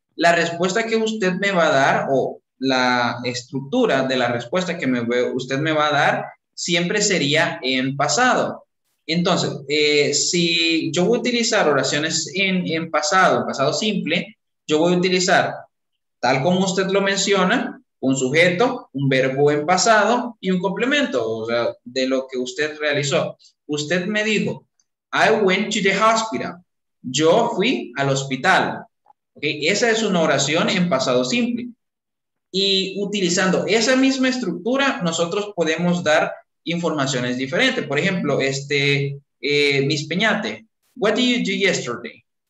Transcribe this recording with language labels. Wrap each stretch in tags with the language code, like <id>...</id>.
<es>La respuesta que usted me va a dar o la estructura de la respuesta que usted me va a dar siempre sería en pasado. Entonces, si yo voy a utilizar oraciones en pasado simple, yo voy a utilizar, tal como usted lo menciona, un sujeto, un verbo en pasado y un complemento, o sea, de lo que usted realizó. Usted me dijo,</es> <en>I went to the hospital.</en> <es>Yo fui al hospital. ¿Okay? Esa es una oración en pasado simple. Y utilizando esa misma estructura, nosotros podemos dar informaciones diferentes. Por ejemplo,</es> <en>Miss Peñate, what did you do yesterday?</en>